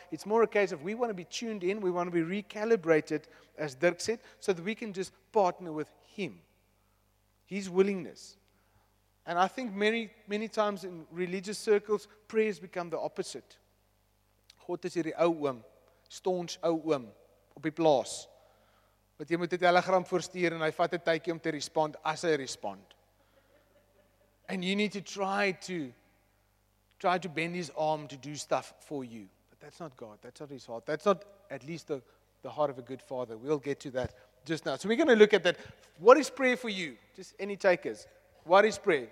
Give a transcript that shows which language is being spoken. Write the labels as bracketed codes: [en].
[en] It's more a case of we want to be tuned in. We want to be recalibrated, as Dirk said, so that we can just partner with him, his willingness. And I think many, many times in religious circles, prayer has become the opposite. [af] God is hierdie ou oom, staunch ou oom, op die plaas. Wat jy moet 'n telegram voorstuur en hy vat 'n tydjie om te respond, as hy respond. [en] And you need to try to bend his arm to do stuff for you. But that's not God. That's not his heart. That's not at least the heart of a good father. We'll get to that just now. So we're going to look at that. What is prayer for you? Just any takers. What is prayer?